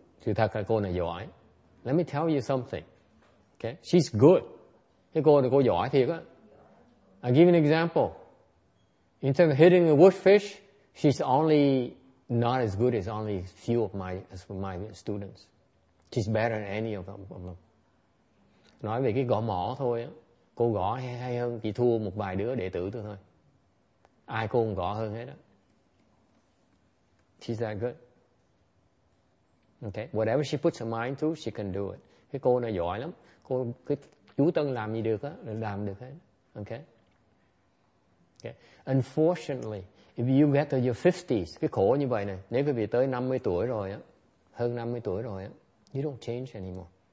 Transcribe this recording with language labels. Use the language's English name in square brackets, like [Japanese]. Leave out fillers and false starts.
[English] Let me tell you something. Okay, she's good. [Vietnamese] Cô giỏi thiệt á. [English] I'll give you an example. In terms of hitting a woodfish, she's only not as good as only few of my students. She's better than any of them. [Vietnamese] Nói về cái gõ mỏ thôi, cô gõ hay hơn, chỉ thua một vài đứa đệ tử thôi. Ai cô cũng gõ hơn hết. [English] She's that good. Okay, whatever she puts her mind to, she can do it. [Vietnamese] Cái cô này giỏi lắm. Cô cái chú Tân làm gì được á, làm được hết. Okay. Okay. [English] Unfortunately, if you get to your 50s, [Vietnamese] cái khổ như vậy này, nếu quý vị tới 50 tuổi rồi á, hơn 50 tuổi rồi á, [English] you don't change anymore.